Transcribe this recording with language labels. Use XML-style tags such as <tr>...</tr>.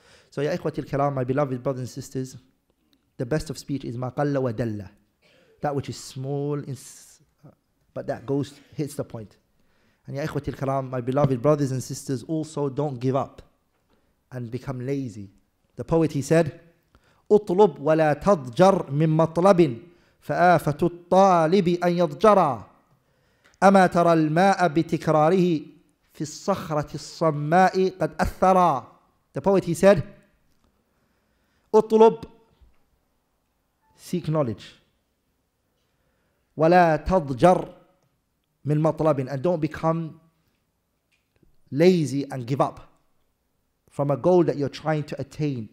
<en>So</en> <ar>ya ikhwati al-kiram,</ar> <en>my beloved brothers and sisters, the best of speech is</en> <ar>ma qalla wa dalla.</ar> <en>That which is small, but that goes, hits the point. And</en> <ar>ya ikhwati al-kiram,</ar> <en>my beloved brothers and sisters, also don't give up and become lazy. The poet, he said,</en> <ar>أطلب ولا تضجر من مطلب فآفة الطالب أن يضجر أما ترى الماء بتكراره في الصخرة الصماء قد أثر.</ar> <en>The poet, he said, أطلب, seek knowledge,</en> <ar>ولا تضجر من مطلب,</ar> <en>and don't become lazy and give up from a goal that you're trying to attain.</en>